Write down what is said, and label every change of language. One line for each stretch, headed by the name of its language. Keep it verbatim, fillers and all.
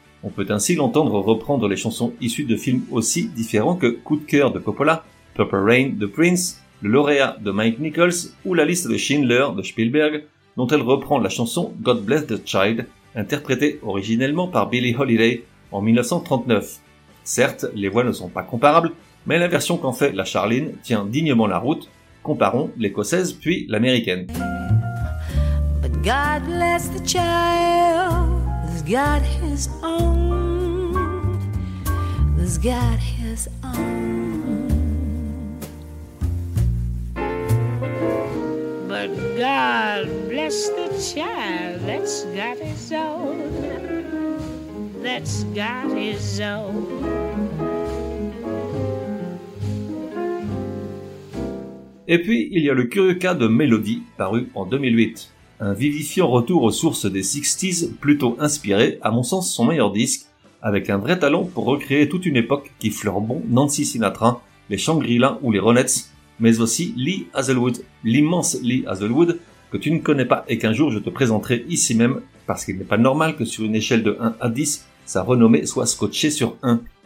French: On peut ainsi l'entendre reprendre les chansons issues de films aussi différents que Coup de cœur de Coppola, Purple Rain de Prince, Le Lauréat de Mike Nichols ou La liste de Schindler de Spielberg, dont elle reprend la chanson God Bless the Child, interprétée originellement par Billie Holiday en mille neuf cent trente-neuf. Certes, les voix ne sont pas comparables, mais la version qu'en fait la Charline tient dignement la route. Comparons l'écossaise puis l'américaine.
English: But God bless the child, who's got his own, who's got his own. But God bless the child, that's got his own, that's got his own.
French: Et puis, il y a le curieux cas de Melody, paru en deux mille huit. Un vivifiant retour aux sources des sixties, plutôt inspiré, à mon sens, son meilleur disque, avec un vrai talent pour recréer toute une époque qui fleure bon Nancy Sinatra, les Shangri-La ou les Ronettes, mais aussi Lee Hazelwood, l'immense Lee Hazelwood, que tu ne connais pas et qu'un jour je te présenterai ici même, parce qu'il n'est pas normal que sur une échelle de un à dix, sa renommée soit scotchée sur un.